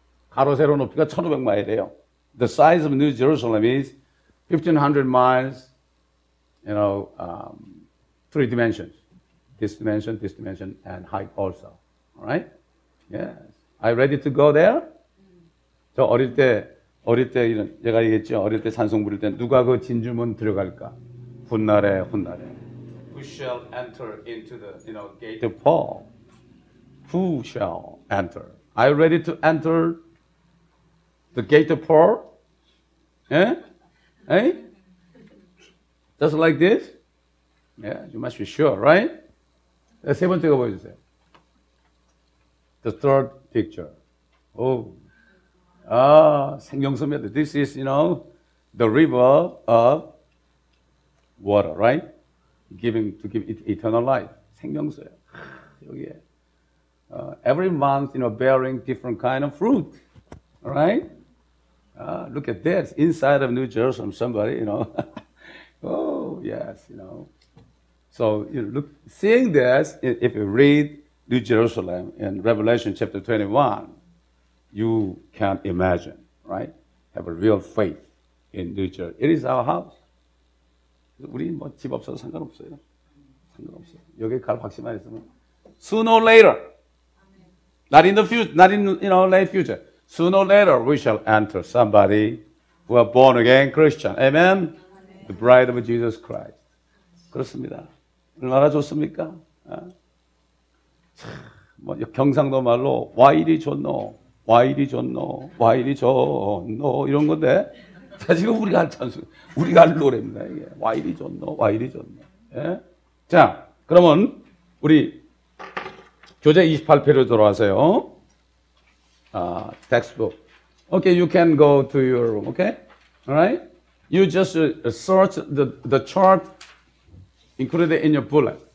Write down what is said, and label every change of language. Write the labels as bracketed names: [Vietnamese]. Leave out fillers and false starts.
[Korean] 가로 세로 높이가 1,500마일이에요. [English] The size of New Jerusalem is 1,500 miles, you know, three dimensions. This dimension, and height also. Alright? Yes. Are you ready to go there? [Korean] 저 어릴 때, 이런, 제가 얘기했죠. 어릴 때 찬송 부를 때 누가 그 진주문 들어갈까? 훗날에. [English] Who shall enter into the, you know, gate of Paul? Who shall enter? Are you ready to enter the gate of Paul? Eh? Eh? Just like this? Yeah, you must be sure, right? [Korean] 세 번째 거 보여주세요. [English] The third picture. Oh. [Korean] 아, 생명수입니다. [English] This is, you know, the river of water, right? To give it eternal life. [Korean] 생명수예요. 여기에. [English] Every month, you know, bearing different kind of fruit. Right? Look at this. Inside of New Jerusalem, somebody, you know. Oh, yes, you know. So, you look, seeing this, if you read New Jerusalem in Revelation chapter 21, you can't imagine, right? Have a real faith in New Jerusalem. It is our house. [Korean] 우리 뭐 집 없어도 상관없어요. 상관없어요. 여기 갈 확신만 있으면 [English] sooner or later, not in the future, not in, you know, late future. Sooner or later, we shall enter somebody who are born again Christian. Amen. The bride of Jesus Christ. [Korean] 그렇습니다. 얼마나 좋습니까? 아. 참, 뭐 경상도 말로 와일이 좋노, 와일이 좋노, 와일이 좋노 이런 건데. 자, 지금 우리가 할 찬송, 우리가 할 노래입니다. 이게. 와일이 좋노, 와일이 좋노. 예? 자, 그러면, 우리, 교재 28페이지로 돌아와세요. [English] 아, textbook. Okay, you can go to your room, okay? Alright? You just search the chart included in your bullet.